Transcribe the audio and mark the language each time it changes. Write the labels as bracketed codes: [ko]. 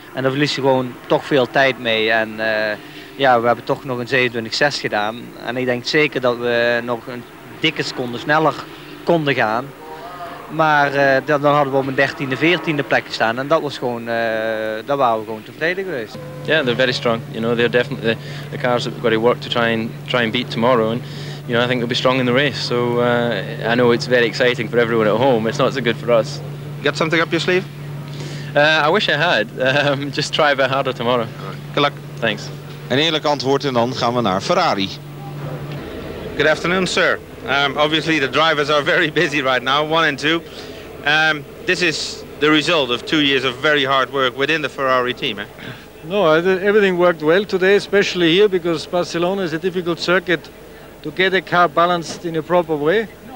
[nl] En dan verlies je gewoon toch veel tijd mee. En ja, we hebben toch nog een 27.6 gedaan. En ik denk zeker dat we nog een dikke seconde sneller konden gaan. Maar dan hadden we op een 13e, 14e plek staan en dat was gewoon, daar waren we gewoon tevreden geweest. [en] Yeah, they're very strong. You know, they're definitely the cars that we've got to work to try and beat tomorrow. And you know, I think they'll be strong in the race. So I know it's very exciting for everyone at home. It's not so good for us. You got something up your sleeve? I wish I had. Just try a bit harder tomorrow. Good luck. Thanks. [nl] Een eerlijk antwoord en dan gaan we naar Ferrari. [en] Good afternoon, sir. Obviously, the drivers are very busy right now, one and two. This is the result of 2 years of very hard work within the Ferrari team, eh? No, everything worked well today, especially here, because Barcelona is a difficult circuit to get a car balanced in a proper way.